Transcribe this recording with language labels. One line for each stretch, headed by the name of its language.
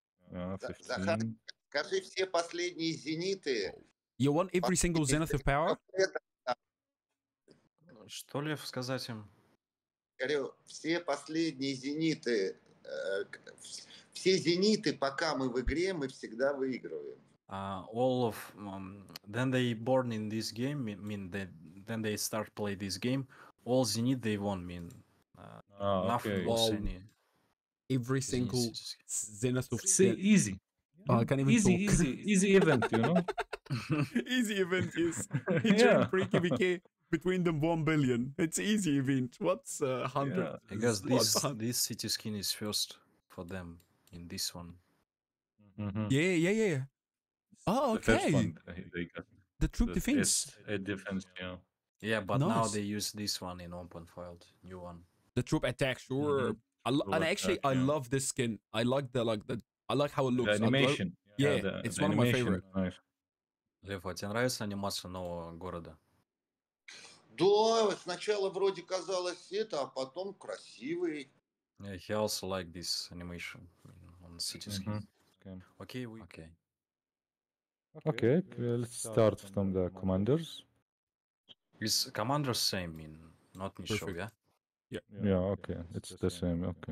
Russian: Скажи все последние зениты.
English: You want every single zenith of power?
Russian: Что ли сказать им? Говорю, все последние зениты, все зениты, пока мы в игре, мы всегда выигрываем.
English: All of then they born in this game mean that then they start play this game. All zenith they won mean nothing okay. All zenith. Every single zenith of easy. Oh, I can't even easy, talk. Easy, easy event, you know. Easy event is yeah. pre-KVK between them 1 billion. It's easy event. What's 100? Yeah. I guess this city skin is first for them in this one. Mm-hmm. Yeah, yeah, yeah. Oh, okay. The, first one, the troop the defense. A defense, yeah. Yeah, but nice. Now they use this one in open field, new one. The troop attack, sure. Mm-hmm. I love this skin. I like the I like how it looks. The animation. It's one of my favorite. Nice.
Russian: Лев, а тебе нравится анимация нового города? Да, сначала вроде казалось это, а потом красивый.
English: Yeah, he also like this animation on city skin. Mm-hmm. Okay. Okay, we... okay. Okay. Okay, let's start from the commanders. Is commander same in not Nisho, yeah? Yeah. Yeah, okay. Yeah, it's the same, okay.